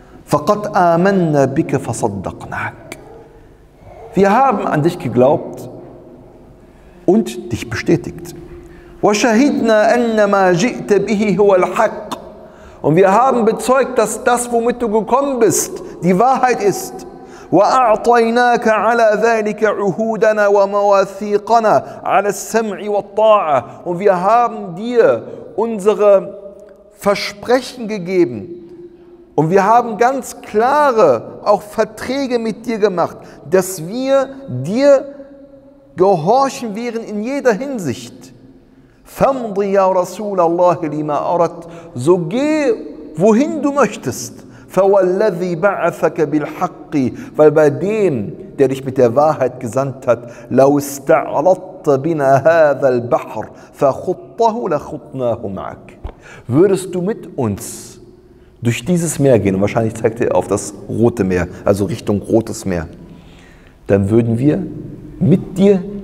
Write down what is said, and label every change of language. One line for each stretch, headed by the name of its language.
Arabic: فَقَدْ آمَنَّا بِكَ فَصَدَّقْنَاكَ
German: Wir haben an dich geglaubt und dich bestätigt.
Arabic: وَشَهِدْنَا أَنَّمَا جِئْتَ بِهِ هُوَ الْحَقِّ
German: Und wir haben bezeugt, dass das, womit du gekommen bist, die Wahrheit ist.
Arabic: وَأَعْطَيْنَاكَ عَلَى ذَٰلِكَ عُهُودَنَا وَمَوَثِيقَنَا عَلَى السَّمْعِ وَالطَّاعَةِ
German: Und wir haben dir unsere Versprechen gegeben. Und wir haben ganz klare auch Verträge mit dir gemacht, dass wir dir gehorchen wären in jeder Hinsicht.
Arabic: فَمْضِي يَا رَسُولَ اللَّهِ لِمَا أَرَدْ
German: So geh, wohin du möchtest.
Arabic: فَوَالَّذِي بَعَثَكَ بِالْحَقِّ
German: Weil bei dem, der dich mit der Wahrheit gesandt hat,
Arabic: لَوْ اسْتَعْرَضْتَ بِنَا هَذَا الْبَحْرِ فَخُطَّهُ لَخُطْنَاهُ مَعَكَ
German: Würdest du mit uns durch dieses Meer gehen, und wahrscheinlich zeigt er auf das Rote Meer, also Richtung Rotes Meer, dann würden wir mit dir